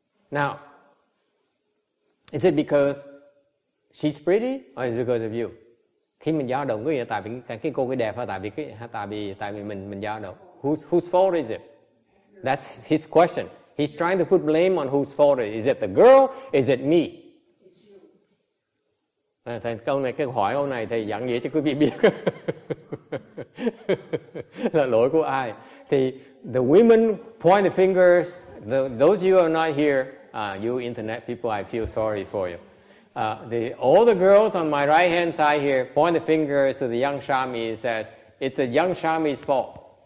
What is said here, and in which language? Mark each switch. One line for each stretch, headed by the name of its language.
English: Now, is it because she's pretty or is it because of you?
Vietnamese: Khi mình dao động cái gì tại vì cái cô cái đẹp hay tại vì cái hay tại vì mình dao động.
English: Whose fault is it? That's his question. He's trying to put blame on whose fault it is. Is it the girl? Is it me?
Vietnamese: Thầy câu này cái hỏi câu này thầy dặn nghĩa cho quý vị biết là lỗi của ai.
English: Thì the women point the fingers. Those of you who are not here, you internet people, I feel sorry for you. All the girls on my right hand side here point the fingers to the young Shami and says it's the young Shami's fault.